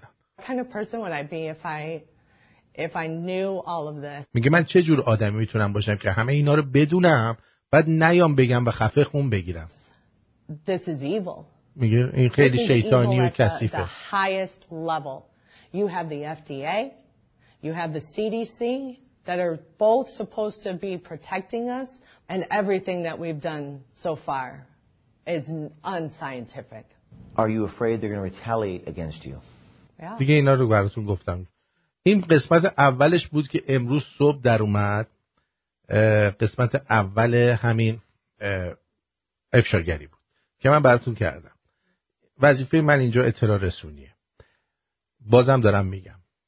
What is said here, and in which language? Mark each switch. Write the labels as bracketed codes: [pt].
[en] What kind of person would I be if I knew all of this? [fa] میگه من چه جور آدمی میتونم باشم که همه اینا رو بدونم بعد نیام بگم و خفه خون بگیرم. [en] This is evil. [fa] میگه این خیلی شیطانی و کثیفه. [en] The highest level. You have the FDA, you have the CDC that are both supposed to be protecting us. And everything that we've done so far is unscientific. Are you afraid they're going to retaliate against you? Yeah. [fa] دیگه اینا رو براتون گفتم. این قسمت اولش بود که امروز صبح در اومد. قسمت اول همین افشاگری بود که من براتون کردم. وظیفه من اینجا اطلاع رسونیه. بازم دارم میگم.